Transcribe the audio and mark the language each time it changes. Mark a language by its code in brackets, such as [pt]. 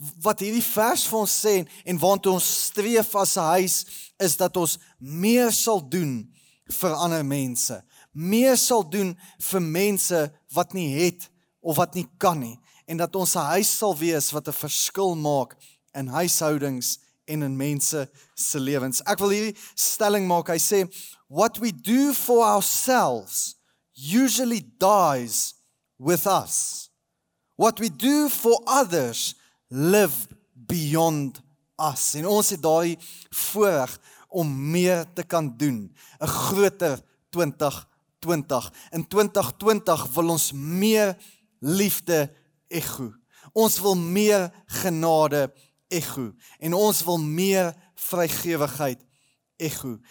[af] Wat hierdie vers vir ons sê en waartoe ons streef as 'n huis is dat ons meer sal doen vir ander mense. Meer sal doen vir mense wat nie het of wat nie kan nie. En dat ons 'n huis sal wees wat 'n verskil maak in huishoudings en in mense se lewens. Ek wil hierdie stelling maak. [en] Hy sê, what we do for ourselves usually dies with us. What we do for others live beyond us. [af] En ons het daai voorreg om meer te kan doen. 'N groter 2020. In 2020 wil ons meer liefde echo. Ons wil meer genade echo. En ons wil meer vrygewigheid echo.